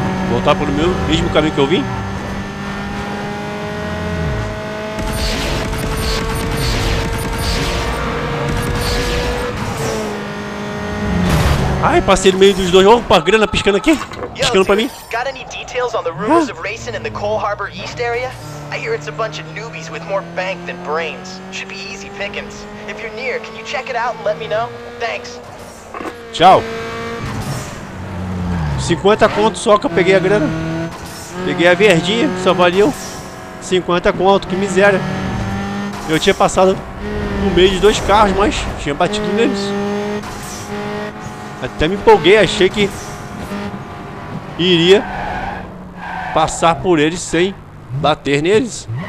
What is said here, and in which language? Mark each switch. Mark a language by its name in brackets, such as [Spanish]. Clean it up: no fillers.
[Portuguese] Voltar pelo mesmo caminho que eu vim? Ai, passei no meio dos dois. Olha a grana piscando aqui. Piscando pra mim. [English] Got any details on the rumors of racing in the Coal Harbor East area? I hear it's a bunch of newbies with more bank than brains. Should be easy pickings. If you're near, can you check it out and let me know? Thanks. [Portuguese] Tchau. 50 conto só que eu peguei a grana. Peguei a verdinha, só valeu 50 conto, que miséria. Eu tinha passado no meio de dois carros, mas tinha batido neles. Até me empolguei, achei que iria passar por eles sem bater neles.